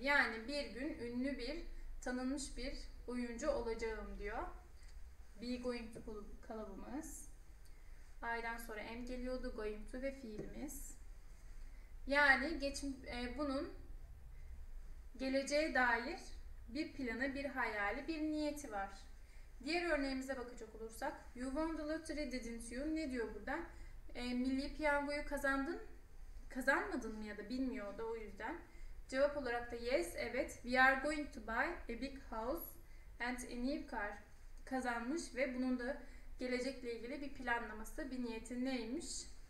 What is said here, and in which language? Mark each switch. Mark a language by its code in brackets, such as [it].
[tr] Yani bir gün ünlü bir, tanınmış bir oyuncu olacağım diyor. Be going to kalıbımız. I'dan sonra am geliyordu. Going to ve fiilimiz. Yani bunun geleceğe dair bir planı, bir hayali, bir niyeti var. Diğer örneğimize bakacak olursak, [en] you won the lottery, didn't you? [tr] Ne diyor burada? Milli piyangoyu kazandın, kazanmadın mı ya da bilmiyor da o yüzden. Cevap olarak da [en] yes, [tr] evet. [en] We are going to buy a big house and a new car. [tr] Kazanmış ve bunun da gelecekle ilgili bir planlaması, bir niyeti neymiş?